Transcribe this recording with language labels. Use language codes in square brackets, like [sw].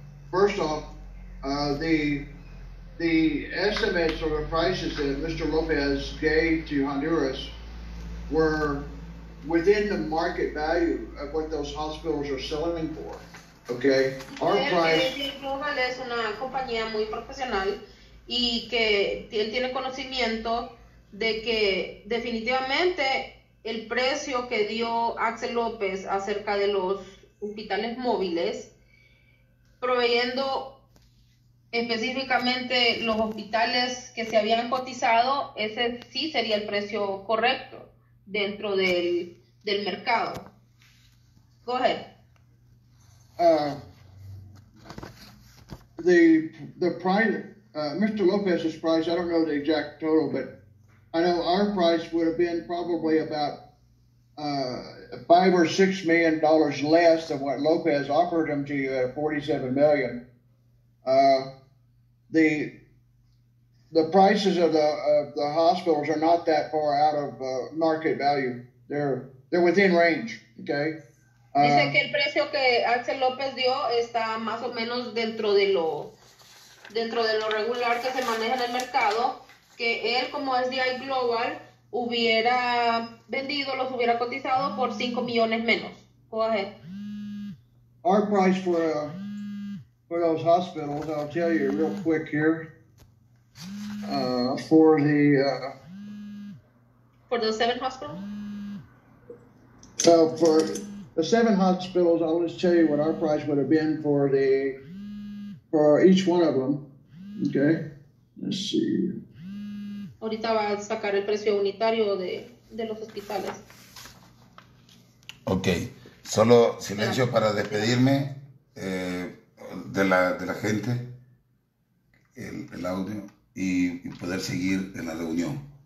[en] First off, the estimates or the prices that Mr. Lopez gave to Honduras were within the market value of what those hospitals are selling for. Okay, our price. [es] SDI Global es una compañía muy profesional y que tiene conocimiento de que definitivamente el precio que dio Axel López acerca de los hospitales móviles, proveyendo específicamente los hospitales que se habían cotizado, ese sí sería el precio correcto dentro del mercado. [en] Go ahead. The price, Mr. Lopez's price, I don't know the exact total, but I know our price would have been probably about $5 or $6 million less than what Lopez offered him to you at $47 million. The prices of the hospitals are not that far out of market value. They're within range, okay? [es] Dice que el precio que Axel López dio está más o menos dentro de lo regular que se maneja en el mercado, que él, como SDI Global, hubiera vendido, los hubiera cotizado por 5 millones menos. [en] Go ahead. Our price for those hospitals, I'll tell you real quick here. For the For the 7 hospitals? well, for the 7 hospitals, I'll just tell you what our price would have been for the for each one of them. Okay, let's see. [es] Ahorita va a sacar el precio unitario de los hospitales. Okay, solo silencio Espera. para despedirme de la gente, el audio, y poder seguir en la reunión,